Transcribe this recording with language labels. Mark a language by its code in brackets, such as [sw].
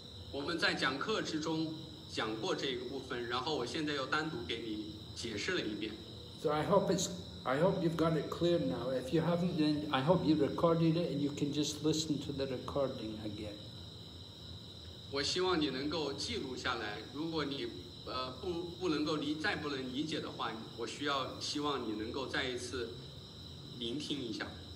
[zh] 我们在讲课之中讲过这个部分，然后我现在又单独给你解释了一遍。 [en] So I hope you've got it clear now. If you haven't, then I hope you recorded it and you can just listen to the recording again. [zh] 我希望你能够记录下来。如果你不能够理再不能理解的话，我需要希望你能够再一次聆听一下。